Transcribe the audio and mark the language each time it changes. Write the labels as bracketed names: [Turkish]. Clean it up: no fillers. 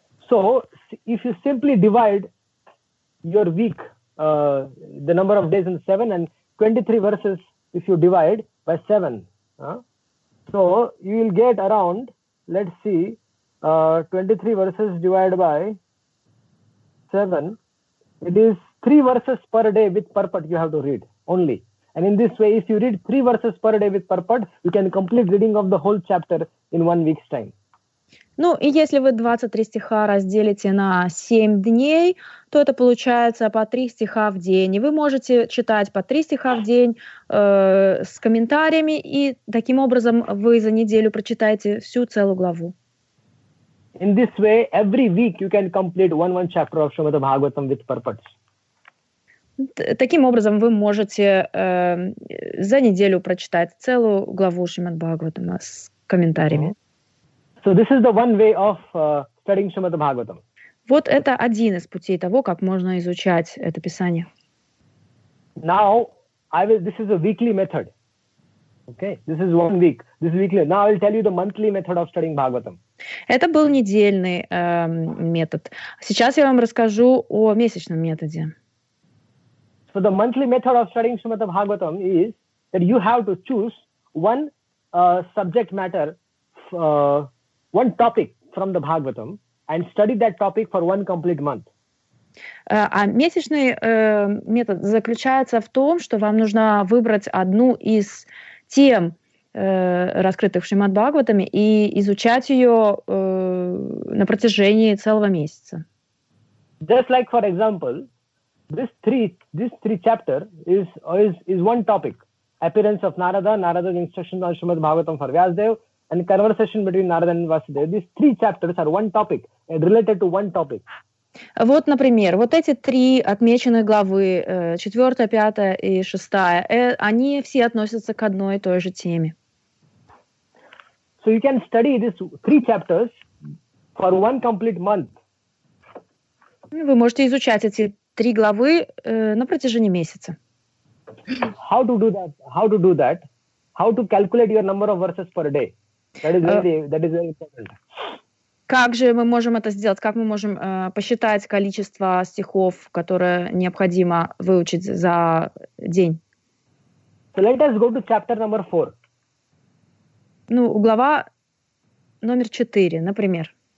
[English] So, if you simply divide your week, the number of days in 7 and 23 verses, if you divide by 7, so you will get around, let's see, 23 verses divided by 7, it is 3 verses per day with purport you have to read only. And in this way, if you read 3 verses per day with purport, you can complete reading of the whole chapter in 1 week's time. [Russian] Ну, и если вы 23 стиха разделите на 7 дней, то это получается по 3 стиха в день. И вы можете читать по 3 стиха в день с комментариями, и таким образом вы за неделю прочитаете всю целую главу. [English] In this way, every week you can complete one chapter of Shrimad Bhagavatam with purports. [Russian] Таким образом вы можете за неделю прочитать целую главу Шримад Бхагаватама с комментариями. [English] So this is the one way of studying Shrimad Bhagavatam. [Russian] Вот это один из путей того, как можно изучать это писание. [English] Now, this is a weekly method. Okay, this is one week. This is weekly. Now I'll tell you the monthly method of studying Bhagavatam. [Russian] Это был недельный метод. Сейчас я вам расскажу о месячном методе. [English] So the monthly method of studying Shrimad Bhagavatam is that you have to choose one subject matter, one topic from the Bhagavatam and study that topic for one complete month. [Russian] А месячный метод заключается в том, что вам нужно выбрать одну из тем, раскрытых Шримад-Бхагаватами, и изучать ее на протяжении целого месяца. [English] Just like, for example, this three chapter is one topic. Appearance of Narada, Narada's instructions on Shrimad-Bhagavatam for Vyasadeva, and conversation between Narada and Vasudeva. These three chapters are one topic, related to one topic. [Russian] Вот, например, вот эти три отмеченные главы, четвертая, пятая и шестая, они все относятся к одной и той же теме. [English] So you can study these three chapters for one complete month. [Russian] Вы можете изучать эти три главы на протяжении месяца. [English] How to do that? How to do that? How to calculate your number of verses per day? That is very important. [Russian] Как же мы можем это сделать? Как мы можем посчитать количество стихов, которые необходимо выучить за день? [English] So let us go to chapter number 4. [Russian] Ну, глава номер 4, например.